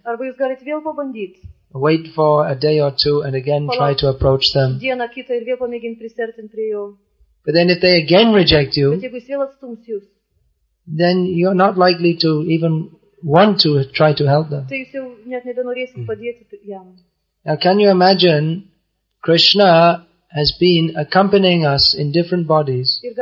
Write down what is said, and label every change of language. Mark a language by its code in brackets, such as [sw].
[lt] Arba jūs galite vėl pabandyti. [en] Wait for a day or two and again try to approach them. [lt] Dieną kitą ir vėl pamėginti prisertinti prie jo. [en] But then if they again reject you, [lt] bet jeigu jis vėl atstums jūs, [en] then you're not likely to even want to try to help them. [lt] Tai jūs jau net nebenorėsit padėti jam. [en] Now can you imagine Krishna has been accompanying us in different bodies?